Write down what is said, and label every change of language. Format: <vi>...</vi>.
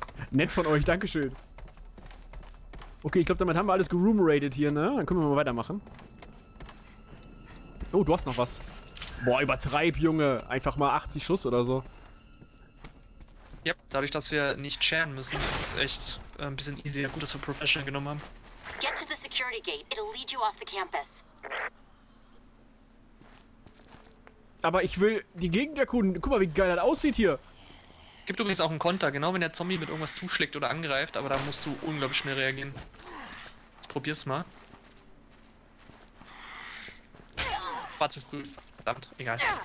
<de>Nett von euch, dankeschön. Okay, ich glaube, damit haben wir alles geroomerated hier, ne? Dann können wir mal weitermachen. Oh, du hast noch was. Boah, übertreib, Junge. Einfach mal 80 Schuss oder so. Ja, yep, dadurch, dass wir nicht sharen müssen, ist es echt ein bisschen easy. Gut, dass wir Professional genommen haben.</de> <en>Get to the security gate. It'll lead you off the campus.</en> <de>Aber ich will die Gegend erkunden. Guck mal, wie geil das aussieht hier. Es gibt übrigens auch einen Konter, genau wenn der Zombie mit irgendwas zuschlägt oder angreift, aber da musst du unglaublich schnell reagieren. Ich probier's mal. War zu früh. Verdammt, egal.</de>